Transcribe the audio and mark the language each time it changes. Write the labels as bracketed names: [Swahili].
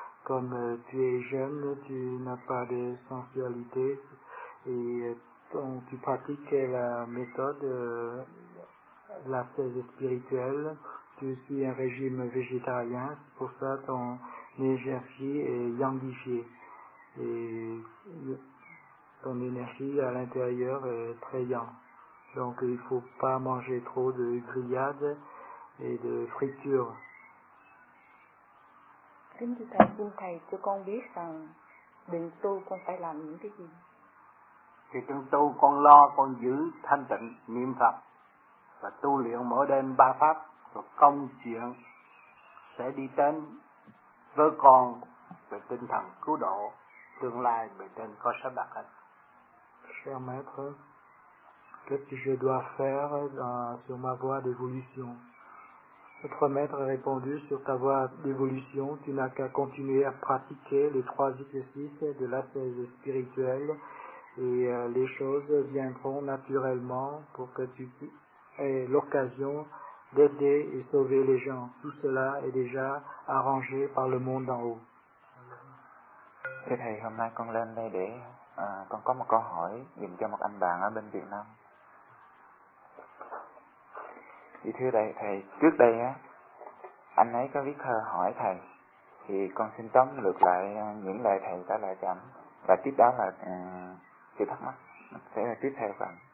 [French] Comme tu es jeune, tu n'as pas de sensualité et tu pratiques la méthode, l'ascèse spirituelle, tu suis un régime végétarien, c'est pour ça ton énergie est yangifiée et ton énergie à l'intérieur est très yang. Donc il ne faut pas manger trop de grillades et de fritures. [Vietnamese] Kính thưa thầy, xin thầy cho con biết rằng định tu con phải làm những cái gì? Thì trong tu con lo, con giữ thanh tịnh, niệm Phật và tu luyện mỗi đêm 3 pháp, rồi công chuyện sẽ đi đến với con về tinh thần cứu độ, tương lai về trên có sắp đặt hết. [French] Cher maître, qu'est-ce que je dois faire sur ma voie d'évolution? Notre maître a répondu, sur ta voie d'évolution, tu n'as qu'à continuer à pratiquer les 3 exercices de l'ascèse spirituelle et les choses viendront naturellement pour que tu aies l'occasion d'aider et sauver les gens. Tout cela est déjà arrangé par le monde en haut. [Vietnamese] Thưa thầy, hôm nay con lên đây để con có một câu hỏi dành cho một anh bạn ở bên Việt Nam. Thì thưa đây, thầy, trước đây á, anh ấy có viết thơ hỏi thầy, thì con xin tóm lược lại những lời thầy trả lời cho anh, và tiếp đó là sự thắc mắc sẽ là tiếp theo phần.